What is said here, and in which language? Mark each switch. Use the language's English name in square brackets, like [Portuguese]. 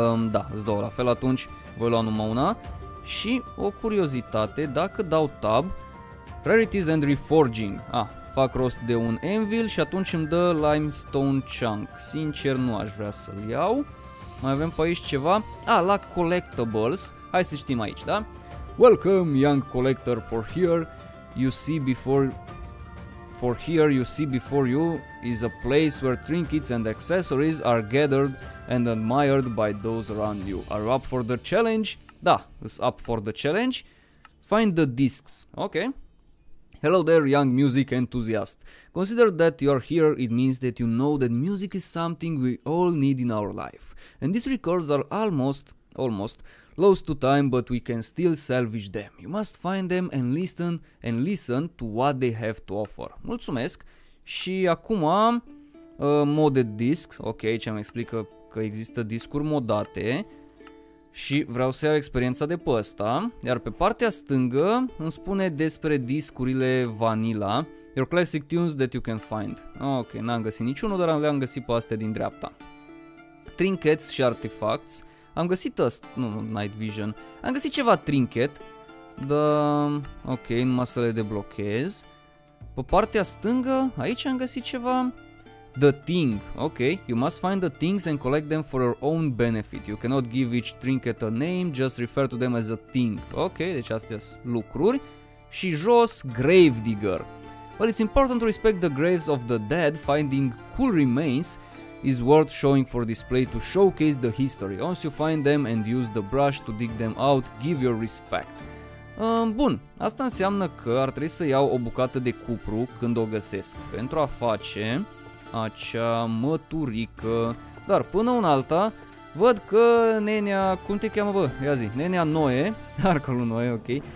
[Romanian] Da, îți dau la fel atunci. Voi lua numai una. Și o curiozitate. Dacă dau tab. [English] Rarities and Reforging. [Romanian] Fac rost de un anvil și atunci îmi dă limestone chunk. Sincer, nu aș vrea să-l iau. Mai avem pe aici ceva? La collectibles. Hai să știm aici, da? [English] Welcome, young collector, for here you see before... For here you see before you is a place where trinkets and accessories are gathered and admired by those around you. Are you up for the challenge? Da, is up for the challenge. Find the discs. Ok. Hello there, young music enthusiast. Consider that you are here, it means that you know that music is something we all need in our life. And these records are almost lost to time, but we can still salvage them. You must find them and listen to what they have to offer. [Romanian] Mulțumesc. Și acum am modded discs. Ok, aici îmi explică că există discuri modate. Și vreau să iau experiența de pe ăsta. Iar pe partea stângă îmi spune despre discurile vanilla. [English] Your classic tunes that you can find. [Romanian] Ok, n-am găsit niciunul, dar le-am găsit pe astea din dreapta. Trinkets și artifacts. Am găsit ăsta, nu, night vision. Am găsit ceva trinket. Dar, ok, numai să le deblochez. Pe partea stângă, aici am găsit ceva. [English] The thing, ok. You must find the things and collect them for your own benefit. You cannot give each trinket a name, just refer to them as a thing. [Romanian] Ok, deci astea sunt lucruri. Și jos, grave digger. [English] Well, it's important to respect the graves of the dead. Finding cool remains is worth showing for display to showcase the history. Once you find them and use the brush to dig them out, give your respect. [Romanian] Bun, asta înseamnă că ar trebui să iau o bucată de cupru când o găsesc. Pentru a face... acea măturică. Dar până una alta, Văd că nenea, cum te cheamă, bă? Ia zi, nenea Noe, arcolul Noe, ok.